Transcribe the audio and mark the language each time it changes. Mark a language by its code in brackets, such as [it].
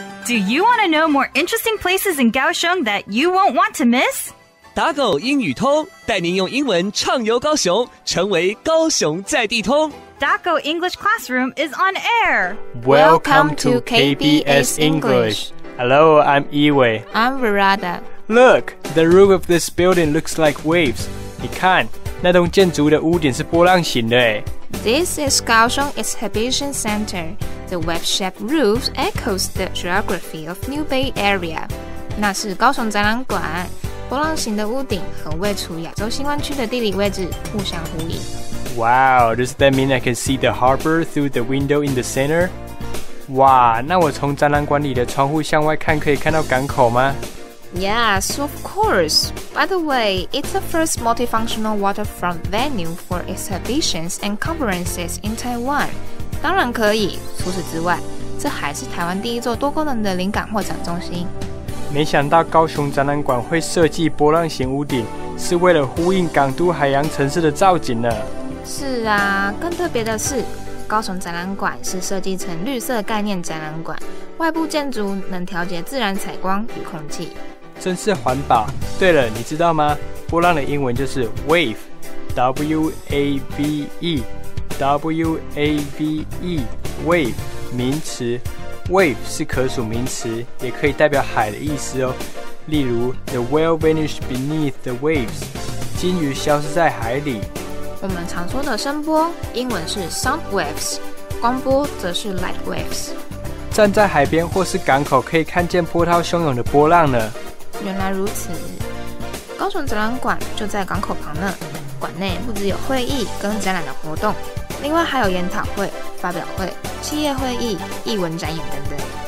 [en] Do you want to know more interesting places in Kaohsiung that you won't want to miss? [zh] 打狗英语通，带您用英文畅游高雄，成为高雄在地通。 [en] Daco English Classroom is on air. Welcome to KBS English. Hello, I'm Yiwei. I'm Virada. Look, the roof of this building looks like waves. [zh] 你看，那栋建筑的屋顶是波浪形的。 [en] This is Kaohsiung Exhibition Center. The web-shaped roof echoes the geography of New Bay Area. [zh] 那是高雄展览馆。波浪形的屋顶和位处亚洲新湾区的地理位置互相呼应。 [en] Wow, does that mean I can see the harbor through the window in the center? [zh] 哇，那我从展览馆里的窗户向外看可以看到港口吗？ [en] Yes, of course. By the way, it's the first multifunctional waterfront venue for exhibitions and conferences in Taiwan. [zh] 当然可以，除此之外，这还是台湾第一座多功能的临港或展中心。没想到高雄展览馆会设计波浪形屋顶，是为了呼应港都海洋城市的造景呢。是啊，更特别的是，高雄展览馆是设计成绿色概念展览馆，外部建筑能调节自然采光与空气，真是环保。对了，你知道吗？波浪的英文就是 wave，W-A-V-E，W-A-V-E，wave， 名词。 Wave 是可数名词，也可以代表海的意思哦。例如 ， [en] The whale vanished beneath the waves， [zh] 鲸鱼消失在海里。我们常说的声波，英文是 sound waves， 光波则是 light waves。站在海边或是港口，可以看见波涛汹涌的波浪呢。原来如此，高雄展览馆就在港口旁呢。馆内不只有会议跟展览的活动，另外还有研讨会、发表会、企业会议、艺文展演等等。